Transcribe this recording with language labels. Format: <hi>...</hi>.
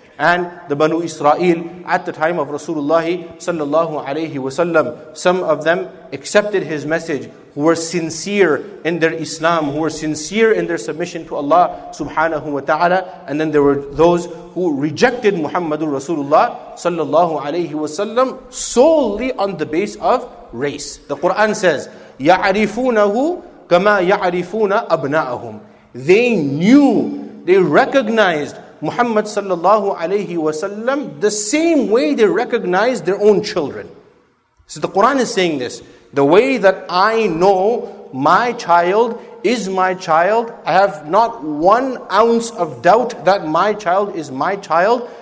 <en>And the Banu Israel, at the time of Rasulullah sallallahu alayhi wasallam, some of them accepted his message, who were sincere in their Islam, who were sincere in their submission to Allah subhanahu wa ta'ala. And then there were those who rejected Muhammadur Rasulullah sallallahu alayhi wasallam solely on the base of race. The Quran says,</en> <ar>يَعْرِفُونَهُ كَمَا يَعْرِفُونَ أَبْنَاءَهُمْ.</ar> <en>They knew, they recognized Muhammad sallallahu alayhi wasallam the same way they recognize their own children. So the Quran is saying this. The way that I know my child is my child, I have not 1 ounce of doubt that my child is my child.</en>